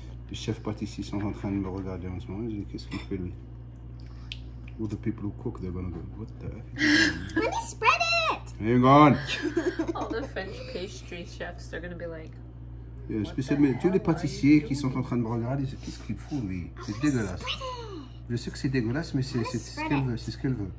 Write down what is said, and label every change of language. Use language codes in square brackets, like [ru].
[fr] Les chefs pâtissiers sont en train de me regarder en ce moment. Je dis, qu'est-ce qu'il fait lui? [en] All the people who cook, they're gonna go, what the heck? Let me spread it! Hang on! All the French pastry chefs, they're gonna be like, [fr] yeah, spécialement, tous les pâtissiers qui sont en train de me regarder, qu'est-ce qu'il fout lui? C'est dégueulasse. Je sais que c'est dégueulasse, mais c'est ce qu'elle veut.